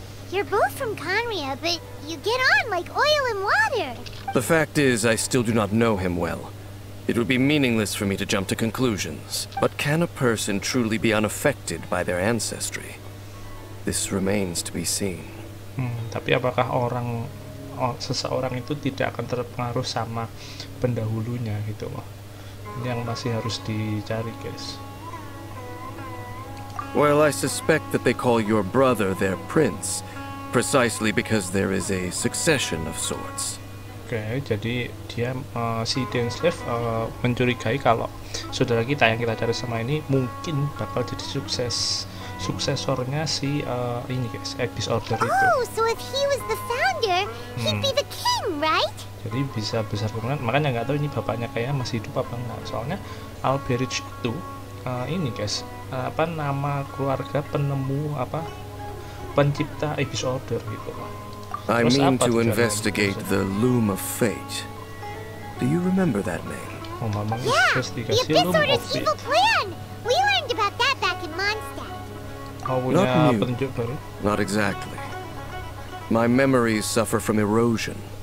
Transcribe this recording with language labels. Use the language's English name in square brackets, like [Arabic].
[English] You're both from Conria, but you get on like oil and water. The fact is, I still do not know him well. It would be meaningless for me to jump to conclusions. But can a person truly be unaffected by their ancestry? This remains to be seen. [Indonesian] Tapi apakah orang... seseorang itu tidak akan terpengaruh sama pendahulunya gitu loh. Ini yang masih harus dicari, guys. [English] Well, I suspect that they call your brother their prince precisely because there is a succession of sorts. [Indonesian] Okay, jadi dia si Dainsleif mencurigai kalau saudara kita yang kita cari sama ini mungkin bakal jadi sukses suksesornya si ini guys, Abyss Order itu. [English] Oh, so if he was the founder, he'd be the king, right? [Indonesian] Jadi bisa besar kemungkinan, makanya nggak tahu ini bapaknya kayak masih hidup apa enggak. Soalnya Albrecht itu ini guys, apa nama keluarga penemu apa pencipta Abyss Order gitu. [English] I mean to investigate the Loom of Fate. Do you remember that name? Oh, mama, yeah, the Abyss Order's evil plan. We learned about that back in Mondstadt. Not new. Not exactly. My memories suffer from erosion.